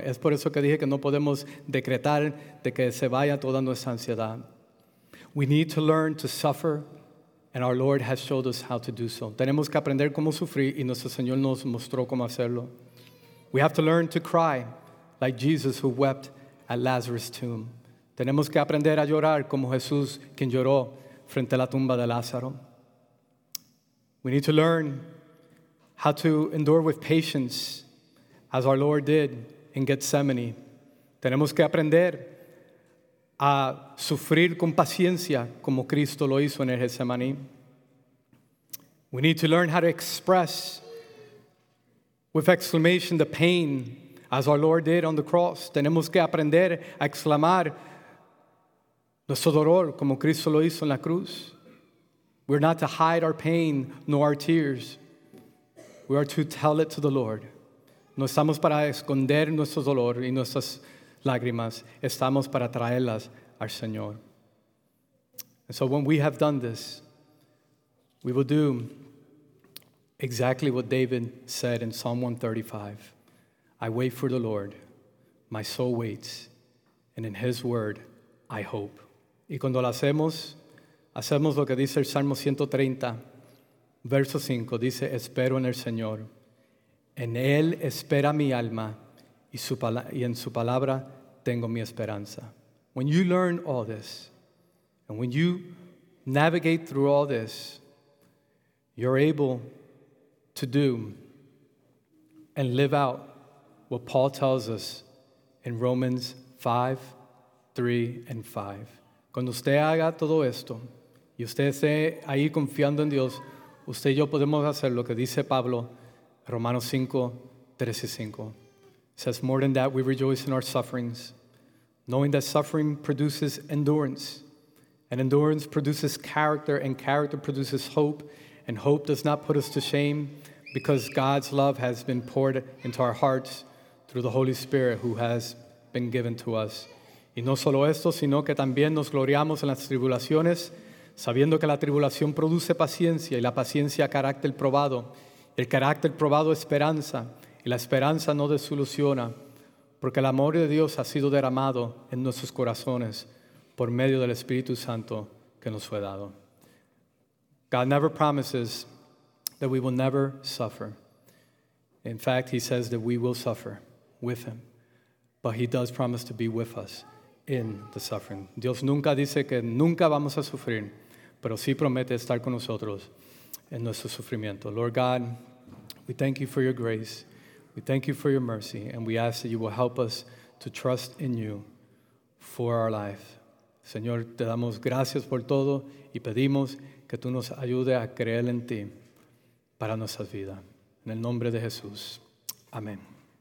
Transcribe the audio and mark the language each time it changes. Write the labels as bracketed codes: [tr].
[es] Es por eso que dije que no podemos decretar de que se vaya toda nuestra ansiedad. [en] We need to learn to suffer, and our Lord has showed us how to do so. [es] Tenemos que aprender cómo sufrir y nuestro Señor nos mostró cómo hacerlo. [en] We have to learn to cry like Jesus who wept at Lazarus' tomb. [es] Tenemos que aprender a llorar como Jesús quien lloró frente a la tumba de Lázaro. [en] We need to learn how to endure with patience as our Lord did in Gethsemane. [es] Tenemos que aprender a sufrir con paciencia como Cristo lo hizo en el Getsemaní. [en] We need to learn how to express with exclamation the pain as our Lord did on the cross. [es] Tenemos que aprender a exclamar nuestro dolor como Cristo lo hizo en la cruz. [en] We're not to hide our pain nor our tears. We are to tell it to the Lord. [es] No estamos para esconder nuestro dolor y nuestras lágrimas, estamos para traerlas al Señor. [en] And so when we have done this, we will do exactly what David said in Psalm 135. I wait for the Lord, my soul waits, and in his word I hope. [es] Y cuando lo hacemos, hacemos lo que dice el Salmo 130, verso 5, dice, espero en el Señor, en él espera mi alma, y en su palabra tengo mi esperanza. [en] When you learn all this, and when you navigate through all this, you're able to do and live out what Paul tells us in Romans 5, 3, and 5. [es] Cuando usted haga todo esto, y usted esté ahí confiando en Dios, usted y yo podemos hacer lo que dice Pablo, Romanos 5, 3 y 5. [en] Says more than that, we rejoice in our sufferings, knowing that suffering produces endurance, and endurance produces character, and character produces hope, and hope does not put us to shame, because God's love has been poured into our hearts through the Holy Spirit who has been given to us. [es] Y no solo esto, sino que también nos gloriamos en las tribulaciones, sabiendo que la tribulación produce paciencia, y la paciencia carácter probado, el carácter probado esperanza. Y la esperanza no desilusiona, porque el amor de Dios ha sido derramado en nuestros corazones por medio del Espíritu Santo que nos fue dado. [en] God never promises that we will never suffer. In fact, he says that we will suffer with him. But he does promise to be with us in the suffering. [es] Dios nunca dice que nunca vamos a sufrir, pero sí promete estar con nosotros en nuestro sufrimiento. [en] Lord God, we thank you for your grace. We thank you for your mercy, and we ask that you will help us to trust in you for our life. [es] Señor, te damos gracias por todo y pedimos que tú nos ayudes a creer en ti para nuestras vidas. En el nombre de Jesús. Amén.